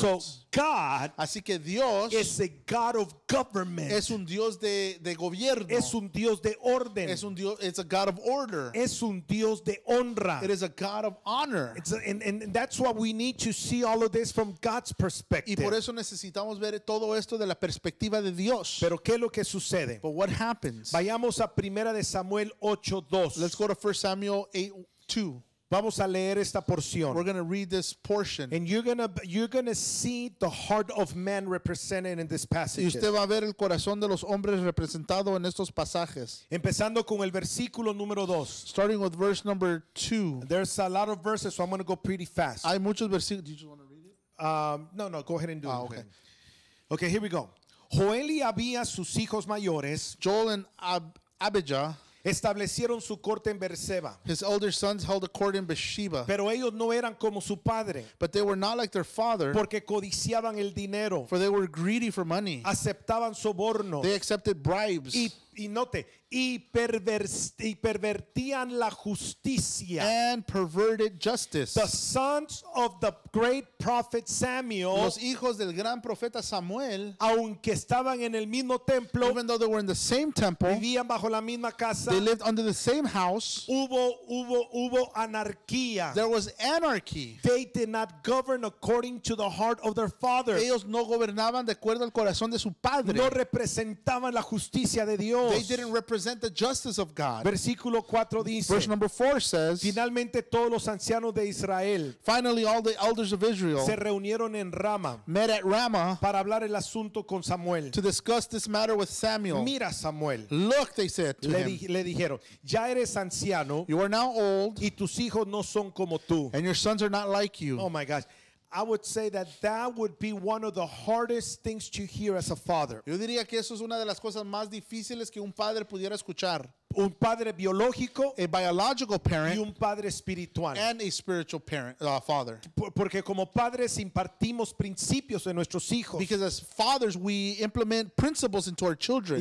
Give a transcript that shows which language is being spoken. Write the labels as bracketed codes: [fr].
[en] So God. [es] Así que Dios. [en] Is a God of government. [es] Es un Dios de gobierno. Es un Dios de orden. Es un Dios. [en] It's a God of order. [es] Es un Dios de honra. [en] It is a God of honor. It's a, and that's why we need to see all of this from God's perspective. [es] Y por eso necesitamos ver todo esto de la perspectiva de Dios. Pero qué es lo que sucede. [en] But what happens. [es] Vayamos a Primera de Samuel 8:2. [en] Let's go to 1 Samuel 8:2. [es] Vamos a leer esta porción. [en] We're going to read this portion. And you're going to see the heart of man represented in this passage. [es] Y usted va a ver el corazón de los hombres representado en estos pasajes. Empezando con el versículo número 2. [en] Starting with verse number 2. There's a lot of verses, so I'm going to go pretty fast. [es] Hay muchos versículos. [en] Do you just want to read it? No, go ahead and do it. Ah, okay. Okay, here we go. [es] Joel y Abías, sus hijos mayores. [en] Joel and Abijah. [es] Establecieron su corte en Beersheba. [en] His older sons held a court in Beersheba. [es] Pero ellos no eran como su padre. [en] But they were not like their father. [es] Porque codiciaban el dinero. [en] For they were greedy for money. [es] Aceptaban sobornos. [en] They accepted bribes. [es] Y note, y pervertían la justicia. [en] And perverted justice. The sons of the great prophet Samuel. [es] Los hijos del gran profeta Samuel. Aunque estaban en el mismo templo. [en] Even though they were in the same temple. [es] Vivían bajo la misma casa. [en] They lived under the same house. [es] Hubo anarquía. [en] There was anarchy. They did not govern according to the heart of their father. [es] Ellos no gobernaban de acuerdo al corazón de su padre. No representaban la justicia de Dios. [en] They didn't represent the justice of God. [es] Versículo 4 dice. [en] Verse number 4 says. [es] Finalmente todos los ancianos de Israel. [en] Finally all the elders of Israel. [es] Se reunieron en Rama. [en] Met at Ramah. [es] Para hablar el asunto con Samuel. [en] To discuss this matter with Samuel. [es] Mira Samuel. [en] Look, they said to him. [es] Le dijeron. Ya eres anciano. [en] You are now old. [es] Y tus hijos no son como tú. [en] And your sons are not like you. Oh my gosh. I would say that that would be one of the hardest things to hear as a father. [es] Yo diría que eso es una de las cosas más difíciles que un padre pudiera escuchar. Un padre biológico, [en] a biological parent, [es] y un padre espiritual, [en] and a spiritual parent, father. [es] Porque como padres impartimos principios en nuestros hijos. [en] Because as fathers we implement principles into our children.